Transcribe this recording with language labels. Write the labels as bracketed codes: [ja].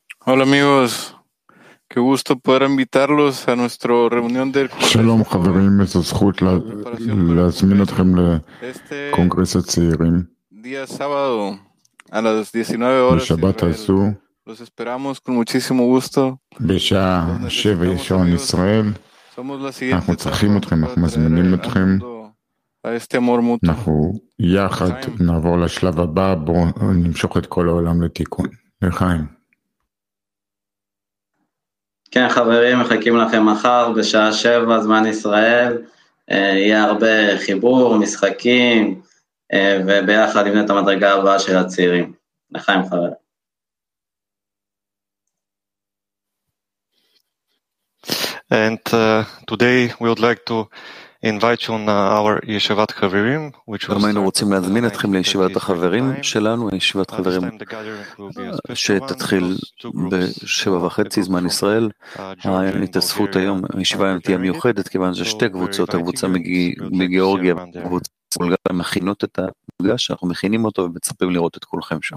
[es] Hola amigos, qué gusto poder invitarlos a nuestra reunión del Congreso. [he] Shalom, חברים, [es] es la [he] זכות להזמין אתכם לקונגרס הצעירים. [es] Día sábado a las 19 horas. [he] בשבת הזו. [es] Los esperamos con muchísimo gusto. [he] בשעה 7 שעון ישראל. [es] Somos la siguiente. [he] אנחנו צריכים אתכם, אנחנו מזמינים אתכם. [es] A este amor mutuo. [he] אנחנו יחד נעבור לשלב הבא, בואו נמשוך את כל העולם לתיקון. לחיים. כן, חברים, מחכים לכם מחר בשעה 7 זמן ישראל. יהיה הרבה חיבור, משחקים, וביחד נבנה את המדרגה הבאה של הצעירים. לחיים, חבר. [en] And today we would like to invite you on our Yeshivat Chavirim, which was... [he] היינו רוצים להזמין אתכם לישיבת החברים שלנו, ישיבת חברים שתתחיל בשבע וחצי זמן ישראל. ההתאספות היום, הישיבה היום תהיה מיוחדת, כיוון ששתי קבוצות, הקבוצה מגיאורגיה, קבוצה בולגריה, מכינות את המפגש, אנחנו מכינים אותו ומצפים לראות את כולכם שם.